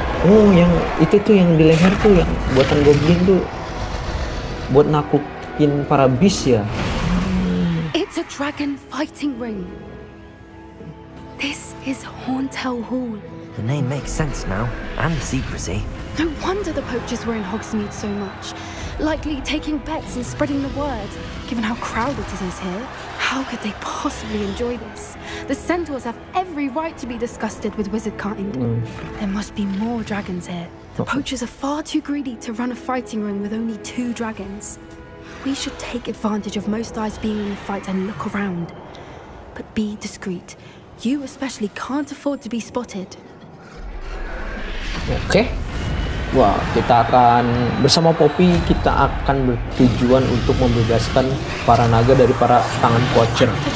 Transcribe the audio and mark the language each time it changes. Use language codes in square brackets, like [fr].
[id] Oh yang itu tuh yang di leher tuh yang buatan goblin tuh buat nakutin para beast ya. [en] It's a dragon fighting ring. This is Horntail Hall. The name makes sense now and the secrecy. No wonder the poachers were in Hogsmeade so much, likely taking bets and spreading the word. Given how crowded it is here, how could they possibly enjoy this? The centaurs have every right to be disgusted with wizardkind. Mm. There must be more dragons here. The poachers are far too greedy to run a fighting ring with only two dragons. We should take advantage of most eyes being in the fight and look around. But be discreet. You especially can't afford to be spotted. Okay. [id] Wah, kita akan bersama Poppy, kita akan bertujuan untuk membebaskan para naga dari para tangan poacher.